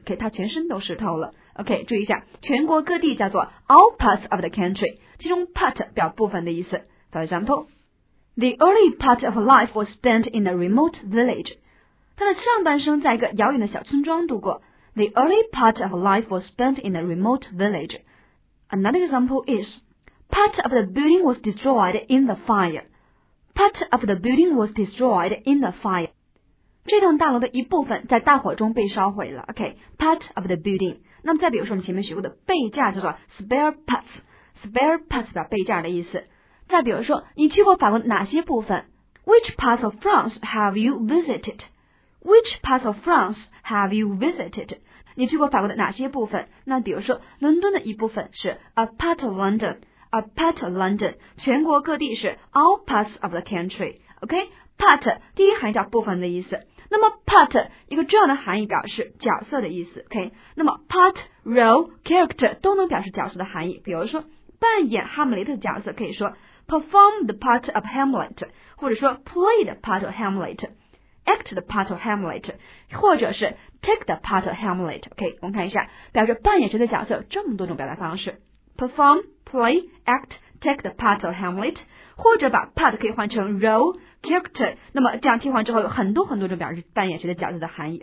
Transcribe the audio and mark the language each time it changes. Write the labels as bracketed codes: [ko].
[zh] OK, 他全身都湿透了。OK, 注意一下，全国各地叫做 [en] all parts of the country. [zh] 其中 part 表部分的意思。 [en] For example, the early part of life was spent in a remote village. [zh] 他的上半生在一个遥远的小村庄度过。 [en] The early part of life was spent in a remote village. Another example is, part of the building was destroyed in the fire. Part of the building was destroyed in the fire. [zh] 这栋大楼的一部分在大火中被烧毁了。OK, [en] part of the building. [zh] 那么再比如说我们前面学过的备架叫做 [en] spare parts. Spare parts [zh] 表备架的意思。再比如说你去过法国哪些部分 ? [en] Which parts of France have you visited? Which parts of France have you visited? [zh] 你去过法国的哪些部分？那比如说，伦敦的一部分是 [en] a part of London, a part of London. [zh] 全国各地是 [en] all parts of the country. [zh] OK, part 第一含义叫部分的意思。那么 part 一个重要的含义表示角色的意思。 OK, 那么 part, role, character 都能表示角色的含义。比如说，扮演哈姆雷特的角色可以说 [en] perform the part of Hamlet, [zh] 或者说 [en] play the part of Hamlet. Act the part of Hamlet, [zh] 或者是 [en] take the part of Hamlet. [zh] OK, 我们看一下，表示扮演谁的角色，这么多种表达方式。 [en] Perform, play, act, take the part of Hamlet, [zh] 或者把 [en] part [zh] 可以换成 [en] role, character. [zh] 那么这样替换之后，有很多很多种表示扮演谁的角色的含义。